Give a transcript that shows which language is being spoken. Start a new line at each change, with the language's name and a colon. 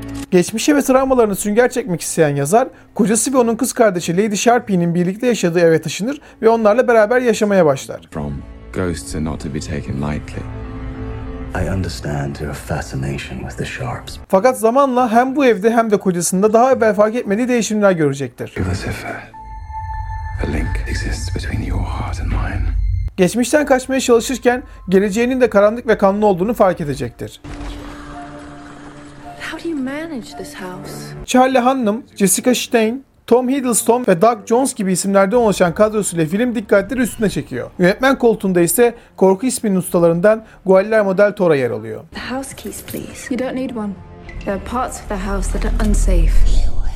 Turkish: Geçmişe ve travmalarına sünger çekmek isteyen yazar, kocası ve onun kız kardeşi Lady Sharpie'nin birlikte yaşadığı eve taşınır ve onlarla beraber yaşamaya başlar.
English: From ghosts are not to be taken lightly. I understand your fascination with the sharps.
Turkish: Fakat zamanla hem bu evde hem de kocasında daha evvel fark etmediği değişimler görecektir.
English: A link exists between your heart and mine.
Turkish: Geçmişten kaçmaya çalışırken geleceğinin de karanlık ve kanlı olduğunu fark edecektir.
English: How do you manage this house?
Turkish: Charlie Hunnam, Jessica Stein, Tom Hiddleston ve Doug Jones gibi isimlerden oluşan kadrosuyla film dikkatleri üstüne çekiyor. Yönetmen koltuğunda ise korku isminin ustalarından Guillermo del Toro yer alıyor.
English: The house keys, please. You don't need one. There are parts of the house that are unsafe.